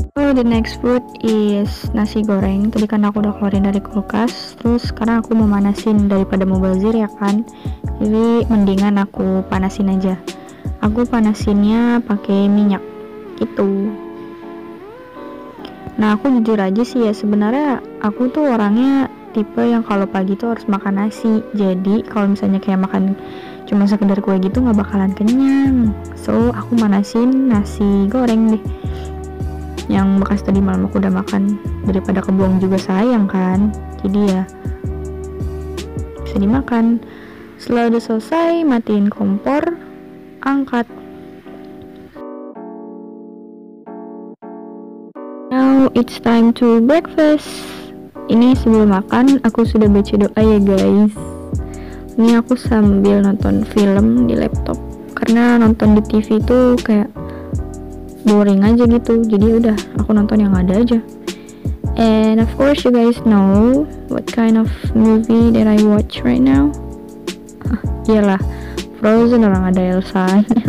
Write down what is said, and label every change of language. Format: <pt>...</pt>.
<en>So, the next food is nasi goreng.</en> <id>Tadi kan aku udah keluarin dari kulkas. Terus sekarang aku mau manasin daripada mubazir ya kan. Jadi mendingan aku panasin aja. Aku panasinnya pakai minyak gitu. Nah, aku jujur aja sih ya, sebenarnya aku tuh orangnya tipe yang kalau pagi tuh harus makan nasi. Jadi kalau misalnya kayak makan cuma sekedar kue gitu nggak bakalan kenyang. So aku manasin nasi goreng deh yang bekas tadi malam aku udah makan, daripada kebuang juga sayang kan. Jadi ya bisa dimakan. Setelah udah selesai, matiin kompor, angkat.</id> <en>Now it's time to breakfast.</en> <id>Ini sebelum makan aku sudah baca doa ya guys. Ini aku sambil nonton film di laptop, karena nonton di TV itu kayak boring aja gitu. Jadi udah aku nonton yang ada aja.</id> <en>And of course you guys know what kind of movie that I watch right now.</en> <id>Iyalah, Frozen, orang ada Elsa.</id>